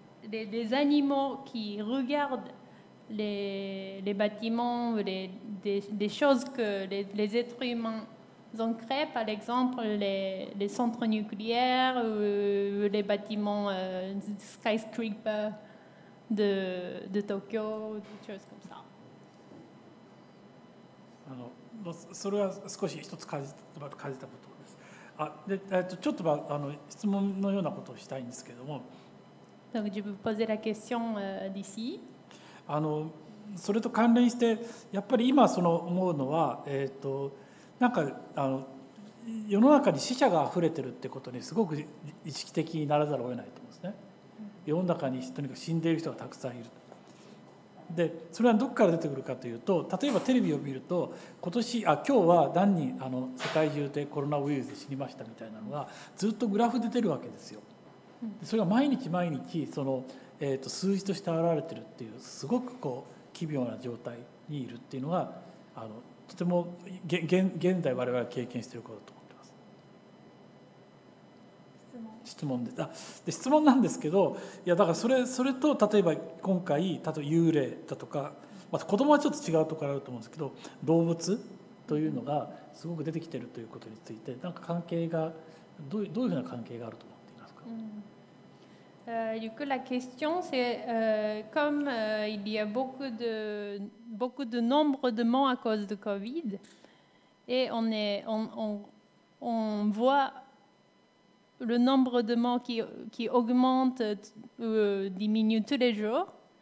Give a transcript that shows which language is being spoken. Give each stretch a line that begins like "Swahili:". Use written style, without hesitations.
French: les animaux qui regardentles bâtiments ou des choses que les êtres humains ont créé, par exemple les centres nucléaires ou les bâtiments skyscraper de Tokyo, des choses comme ça.
Japanese: それは少し一つ感じたことです。ちょっと質問のようなことをしたいんですけども。
French: Donc, je vais poser la question d'ici.
Japanese: それと関連してやっぱり今その思うのは、なんか世の中に死者が溢れてるってことにすごく意識的にならざるを得ないと思うんですね。世の中にとにかく死んでいる人がたくさんいる。で、それはどこから出てくるかというと、例えばテレビを見ると、今日は何人世界中でコロナウイルスで死にましたみたいなのがずっとグラフで出てるわけですよ。で、それが毎日毎日その、数字として現れてるっていう、すごくこう奇妙な状態にいるっていうのが、とても現在我々が経験していることだと思ってます。質問なんですけど、いやだからそれと例えば今回例えば幽霊だとか、まあ、子供はちょっと違うところあると思うんですけど、動物というのがすごく出てきているということについて、なんか関係がどういうふうな関係があると思っていますか。
French: Du coup, la question, c'est comme il y a beaucoup de nombres de morts à cause de Covid, et on voit le nombre de morts qui augmente ou diminue tous les jours.